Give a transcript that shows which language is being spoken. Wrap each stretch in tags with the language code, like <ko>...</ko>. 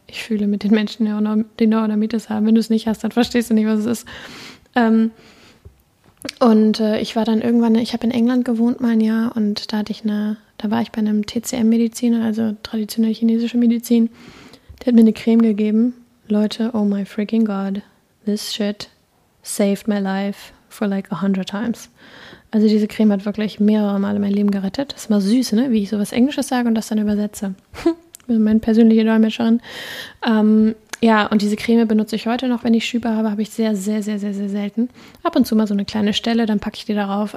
<de>Ich fühle mit den Menschen, die Neurodermitis haben. Wenn du es nicht hast, dann verstehst du nicht, was es ist. Ich war dann irgendwann, ich habe in England gewohnt mal ein Jahr und da war ich bei einem TCM-Mediziner, also traditionelle chinesische Medizin. Der hat mir eine Creme gegeben.</de> <en>Leute, oh my freaking God, this shit saved my life for like 100 times.</en> <de>Also diese Creme hat wirklich mehrere Male mein Leben gerettet. Das ist mal süß, ne? Wie ich sowas Englisches sage und das dann übersetze. Meine persönliche Dolmetscherin. Und diese Creme benutze ich heute noch, wenn ich Schübe habe. Habe ich sehr, sehr, sehr, sehr, sehr selten. Ab und zu mal so eine kleine Stelle, dann packe ich die darauf.</de>